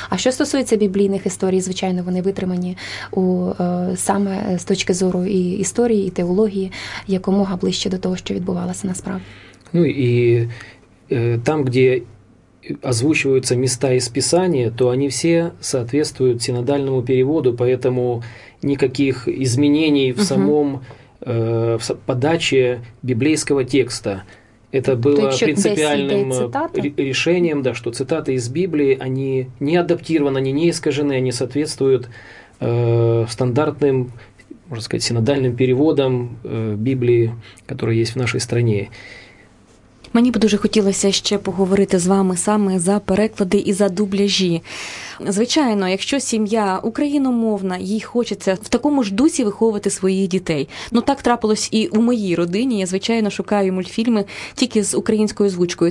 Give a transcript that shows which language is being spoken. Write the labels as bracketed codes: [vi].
[uk] А що стосується біблійних історій, звичайно, вони витримані саме з точки зору і історії, і теології, якомога ближче до того, що відбувалося насправді. Ну і там, де озвучуються міста із Писання, то вони всі відповідають синодальному переводу, тому ніяких змінень в самому [ru] подачи библейского текста. Это было принципиальным решением, да, что цитаты из Библии, они не адаптированы, они не искажены, они соответствуют стандартным, можно сказать, синодальным переводам Библии, которые есть в нашей стране. [uk] Мені би дуже хотілося ще поговорити з вами саме за переклади і за дубляжі. Звичайно, якщо сім'я україномовна, їй хочеться в такому ж дусі виховувати своїх дітей. Ну, так трапилось і у моїй родині. Я, звичайно, шукаю мультфільми тільки з українською звучкою.